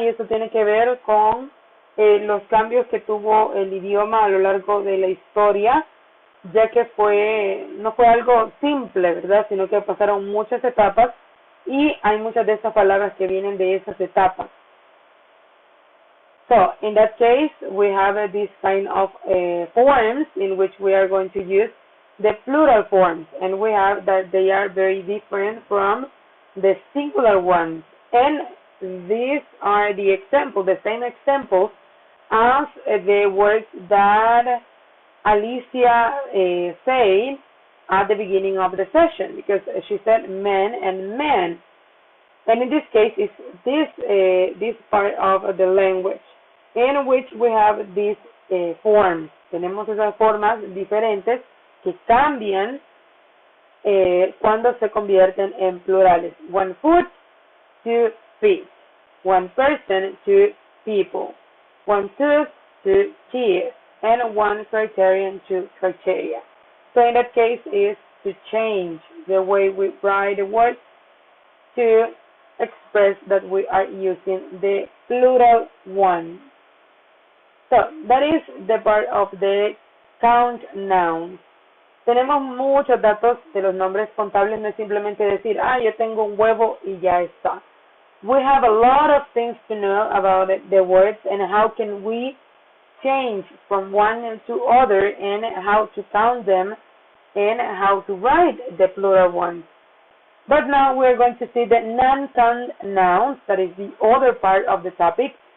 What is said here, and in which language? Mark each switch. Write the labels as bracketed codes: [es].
[es] Y eso tiene que ver con los cambios que tuvo el idioma a lo largo de la historia, ya que no fue algo simple, ¿verdad? Sino que pasaron muchas etapas y hay muchas de esas palabras que vienen de esas etapas. [en] So, in that case, we have this kind of forms in which we are going to use the plural forms, and we have that they are very different from the singular ones, and these are the examples, the same examples as the words that Alicia said at the beginning of the session, because she said men and men, and in this case it's this part of the language in which we have these forms. [es] Tenemos esas formas diferentes que cambian cuando se convierten en plurales. [en] One foot, 2 feet. One person, 2 people. One tooth, 2 teeth. And one criterion, 2 criteria. So in that case is to change the way we write the words to express that we are using the plural one. So that is the part of the count nouns. [es] Tenemos muchos datos de los nombres contables, no es simplemente decir, ah, yo tengo un huevo y ya está. [en] We have a lot of things to know about the words and how can we change from one to other and how to count them and how to write the plural ones. But now we are going to see the non-count nouns, that is the other part of the topic.